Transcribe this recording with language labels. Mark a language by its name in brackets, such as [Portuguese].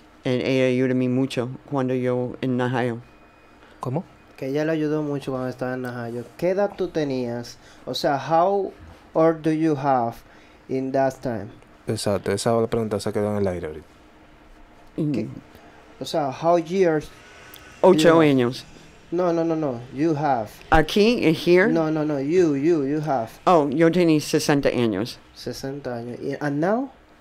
[Spanish] Y ella ayudó a mí mucho cuando yo en Najayo. ¿Cómo? Que ella le ayudó mucho cuando estaba en Najayo. ¿Qué edad tú tenías? O sea, [English] how old do you have in that time? [Spanish] Exacto, esa la pregunta se quedó en el aire ahorita. O sea, [English] how years? [Spanish] 8 años. [English] No, you have. [Spanish] Aquí, [English] here? No, you have. [Spanish] Oh, yo tenía 60 años. 60 años. [English] And now?